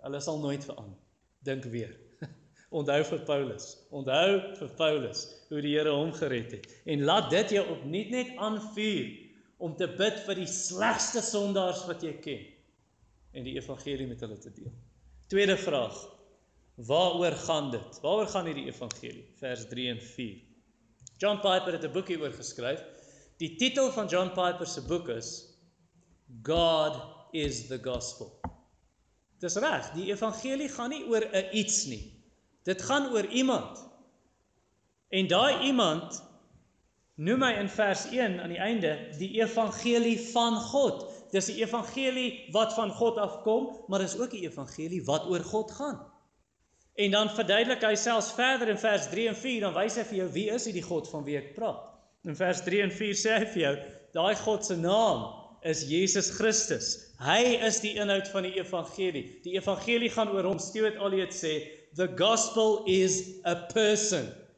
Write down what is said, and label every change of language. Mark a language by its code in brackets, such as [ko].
[af] Hulle sal nooit verander. Dink weer. Onthou vir Paulus. Onthou vir Paulus hoe die Here hom gered het. En laat dit jou op nie net aanvuur om te bid vir die slegste sondaars wat jy ken en die evangelie met hulle te deel. Tweede vraag, waaroor gaan dit? Waaroor gaan hierdie evangelie? Vers 3 en 4. John Piper het 'n boek hieroor geskryf. Die titel van John Piper se boek is God is the Gospel. Dis reg, die evangelie gaan nie oor 'n iets nie. Dit gaan oor iemand. En daai iemand noem hy in vers 1 aan die einde die evangelie van God. Dis die evangelie wat van God afkom, maar is ook die evangelie wat oor God gaan. En dan verduidelik hy selfs verder in vers 3 en 4, dan wys hy vir jou, wie is hierdie God van wie ek praat? In vers 3 en 4 sê hy vir jou, daai God se naam is Jesus Christus. Hy is die inhoud van die evangelie. Die evangelie gaan oor hom. [en] Stuart Eliot sê, the gospel is a person.